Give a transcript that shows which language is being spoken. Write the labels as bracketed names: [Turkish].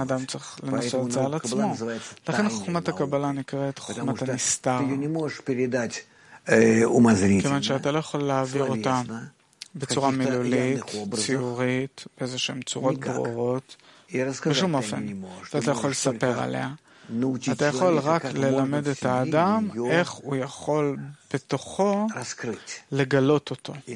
[Hebrew] Адам צריך לנסות את זה על עצמו. לכן חוכמת הקבלה נקראת חוכמת הנסתר. [Russian] Ты не можешь передать умозрительно. [Hebrew] כיוון שאתה לא יכול להעביר אותה בצורה מילולית, ציורית, איזה שהן צורות ברורות, בשום אופן. אתה יכול לספר עליה. אתה יכול רק ללמד את האדם איך הוא יכול בתוכו לגלות אותו.